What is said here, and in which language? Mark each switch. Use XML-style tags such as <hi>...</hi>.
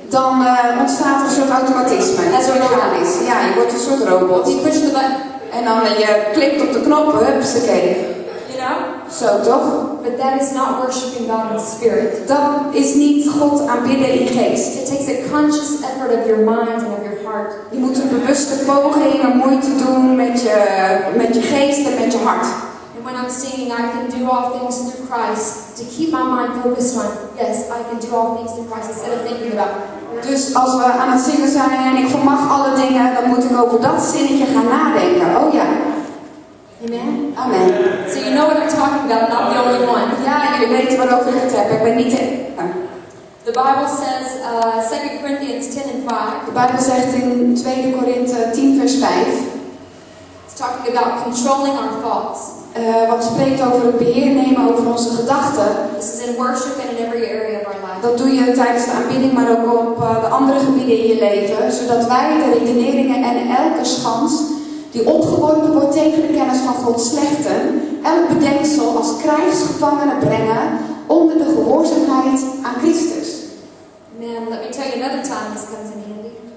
<nl>Dan ontstaat er een soort automatisme. Dat is organisch. Ja, je wordt een soort robot.</nl> <en>You push the button.</en> <nl>En dan je klikt op de knop, hupsakee.</nl> <en>You know?</en> <nl>Zo toch?</nl> <en>But that is not worshiping God in spirit.</en> <nl>Dat is niet God aanbidden in geest.</nl> <en>It takes a conscious effort of your mind and of your heart.</en> <nl>Je moet een bewuste poging en moeite doen met je geest en met je hart.</nl> <en>When I'm singing, I can do all things through Christ to keep my mind focused on. Yes, I can do all things through Christ instead of thinking about.</en> <nl>Dus als we aan het zingen zijn en ik vermag alle dingen, dan moet ik over dat zinnetje gaan nadenken. Oh ja. Amen. Amen.</nl> <en>So you know what I'm talking about. I'm not the only one.</en> <nl>Ja, jullie weten waarover ik het heb. Ik ben niet de.</nl> <en>The Bible says 2 Corinthians 10 and 5.</en> <nl>De Bijbel zegt in 2 Korinthe 10 vers 5.</nl> <en>It's talking about controlling our thoughts.</en> <nl>Wat spreekt over het beheer nemen over onze gedachten.</nl> <en>This is in worship and in every area of our life.</en> <nl>dat doe je tijdens de aanbidding, maar ook op de andere gebieden in je leven. Zodat wij de redeneringen en elke schans die opgeworpen wordt tegen de kennis van God slechten. Elk bedenksel als krijgsgevangenen brengen onder de gehoorzaamheid aan Christus.</nl> <en>Man, let me tell you another time this comes in handy.</en>